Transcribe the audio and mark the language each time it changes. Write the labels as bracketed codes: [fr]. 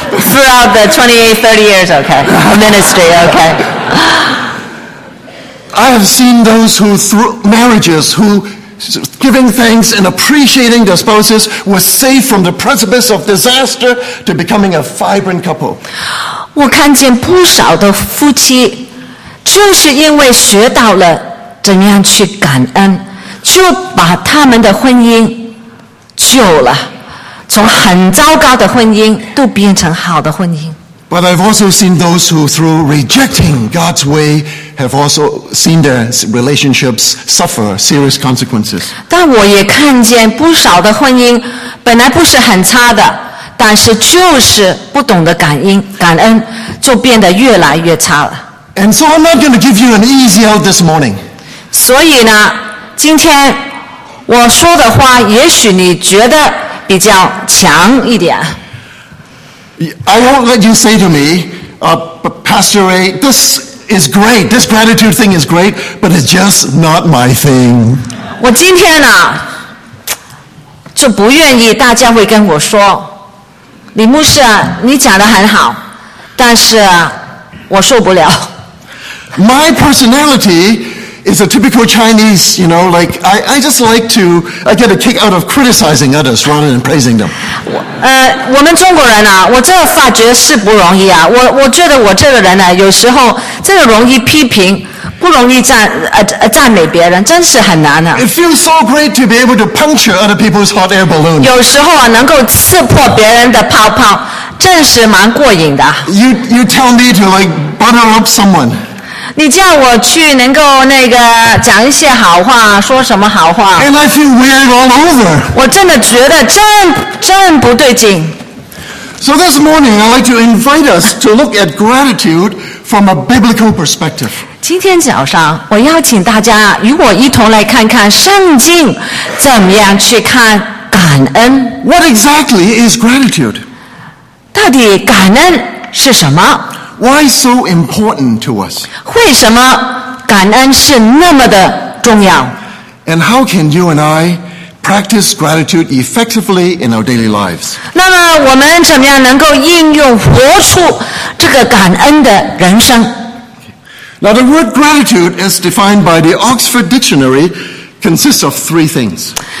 [en] throughout the 20-30 years of ministry, okay. I have seen those who through marriages whogiving thanks and appreciating their spouses was saved from the precipice of disaster to becoming a vibrant couple. [zh] 我看见不少的夫妻就是因为学到了怎样去感恩就把他们的婚姻救了从很糟糕的婚姻都变成好的婚姻。 [en] But I've also seen those who through rejecting God's way have also seen their relationships suffer serious consequences. [zh] 但我也看见不少的婚姻本来不是很差的但是就是不懂得感恩就变得越来越差了。 [en] And so I'm not going to give you an easy out this morning. [zh] 所以呢今天我说的话也许你觉得比较强一点。 [en] I won't let you say to me, Pastor Ray, this is great, this gratitude thing is great, but it's just not my thing. [zh] 我今天呢，就不愿意大家会跟我说，李牧师，你讲得很好，但是我受不了。 [en] My personality is a typical Chinese, you know, like, I get a kick out of criticizing others rather than praising them. [zh] 我们中国人啊，我这发觉是不容易啊。我觉得我这个人呢、啊，有时候这个容易批评，不容易赞美别人，真是很难啊。 [en] It feels so great to be able to puncture other people's hot air balloon. [zh] 有时候啊，能够刺破别人的泡泡，真是蛮过瘾的。 [en] You tell me to, like, butter up someone. [zh] 你叫我去能够那个讲一些好话说什么好话 [en] And I feel weird all over. [zh] 我真的觉得真不对劲 [en] So this morning I'd like to invite us to look at gratitude from a biblical perspective. [zh] 今天早上我邀请大家与我一同来看看圣经怎么样去看感恩 [en] What exactly is gratitude? [zh] 到底感恩是什么 [en] Why so important to us? [zh] 为什么感恩是那么的重要? [en] And how can you and I practice gratitude effectively in our daily lives? [zh] 那么我们怎么样能够应用活出这个感恩的人生? [en] Now the word gratitude is defined by the Oxford Dictionary consists of 3 things.